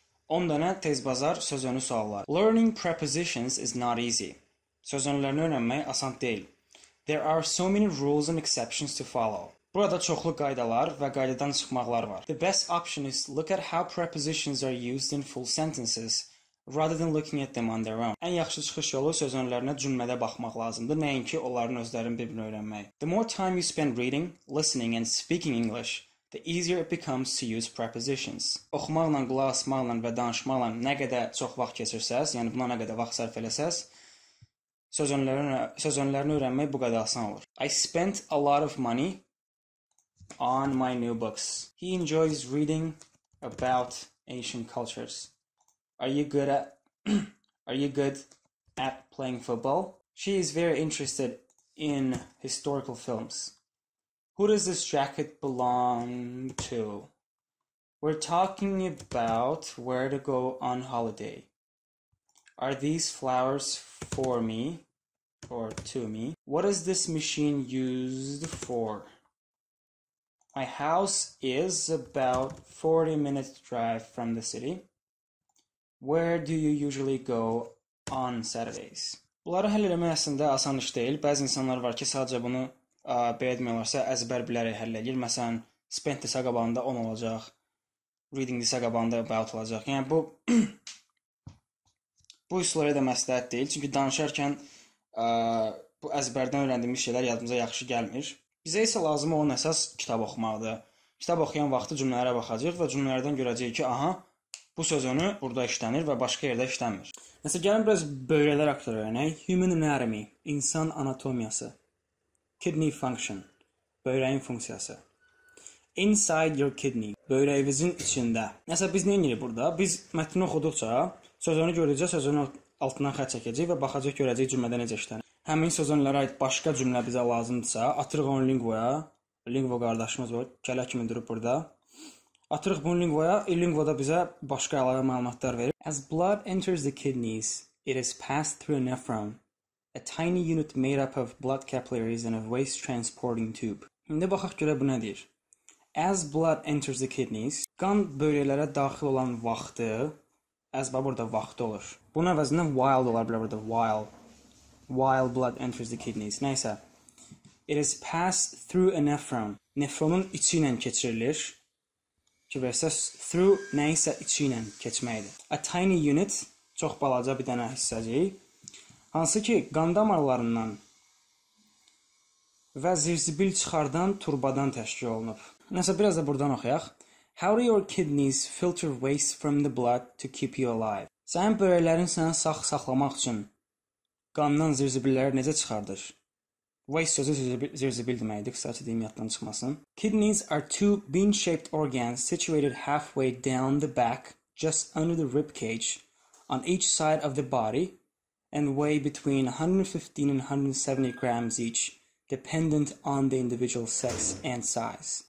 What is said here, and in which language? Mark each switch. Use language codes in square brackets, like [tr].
[az] 10 dənə tez bazar sözönü suallar. [en] Learning prepositions is not easy. [az] Sözönlərini öyrənmək asan deyil. [en] There are so many rules and exceptions to follow. [az] Burada çoxlu qaydalar və qaydadan çıxmaqlar var. [en] The best option is look at how prepositions are used in full sentences rather than looking at them on their own. [az] Ən yaxşı çıxış yolu sözönlərinə cümlədə baxmaq lazımdır, nəinki onların özlərini bir-birini öyrənmək. [en] The more time you spend reading, listening and speaking English, the easier it becomes to use prepositions. [az] Oxumaqla, qulaq asmaqla və danışmaqla nə qədər çox vaxt keçirsəz, yəni buna nə qədər vaxt sərf eləsəz, sözönlərini öyrənmək bu qədər asan olur. [en] I spent a lot of money on my new books. He enjoys reading about ancient cultures. Are you good at playing football? She is very interested in historical films. Who does this jacket belong to? We're talking about where to go on holiday. Are these flowers for me or to me? What is this machine used for? My house is about 40 minutes drive from the city. Where do you usually go on Saturdays? [az] Bunları həll etmək əslində asan iş deyil. Bəzi insanlar var ki, sadəcə bunu belə demiyorlarsa, əzbər bilərək həll edir. Məsələn, spent desə qabağında 10 olacaq, reading desə qabağında about olacaq. Yəni, bu bu üsulları da məsləhət deyil. Çünki danışarkən bu əzbərdən öyrəndiyimiz şeylər yadımıza yaxşı gəlmir. Bizə isə lazım olan əsas kitab oxumaqdır. Kitab oxuyan vaxtı cümlələrə baxacaq və cümlələrdən görəcəyik ki, aha, bu sözünü burada işlənir və başqa yerdə işlənmir. Məsələn, gəlin biraz böyrələr haqqında öyrənək. [en] Human anatomy, [az] insan anatomiyası. [en] Kidney function, [az] böyrəyin funksiyası. [en] Inside your kidney, [az] böyrəyimizin içində. Məsələn, biz nə edirik burada? Biz mətni oxuduqca sözünü görəcəyik, sözünün altından xətt çəkəcəyik və baxacaq görəcəyik cümlədə necə işlənir. Həmin sözönlərə aid başqa cümlə bizə lazımdırsa, atırıq onu lingvoya. Lingvo qardaşımız var, kələ kimi durub burada. Atırıq bunu lingvoya, lingvoda bizə başqa əlavə məlumatlar verir. [en] As blood enters the kidneys, it is passed through a nephron, a tiny unit made up of blood capillaries and a waste transporting tube. [az] İndi baxaq görə bu nədir? [en] As blood enters the kidneys, [az] qan böyrələrə daxil olan vaxtı, as burada vaxtı olur. Bunun əvəzində while də ola bilər burada, [en] while blood enters the kidneys. Nəysə, it is passed through a nephron. [az] Nephronun içi ilə keçirilir. Ki, versus through nəysə içi ilə keçməkdir. [en] A tiny unit, [az] çox balaca bir dənə hissəcəyik. Hansı ki, qan damarlarından və zirzibil çıxardan turbadan təşkil olunub. Nəsə, biraz da buradan oxuyaq. [en] How do your kidneys filter waste from the blood to keep you alive? [az] Sənin böyrələrin sənə sağ saxlamaq üçün qandan zirzibilləri necə çıxardır? Waste sözü zirzibil deməkdir, qısaca deyim, yaddan çıxmasın. [en] Kidneys are two bean-shaped organs situated halfway down the back, just under the rib cage, on each side of the body, and weigh between 115 and 170 grams each, dependent on the individual sex and size.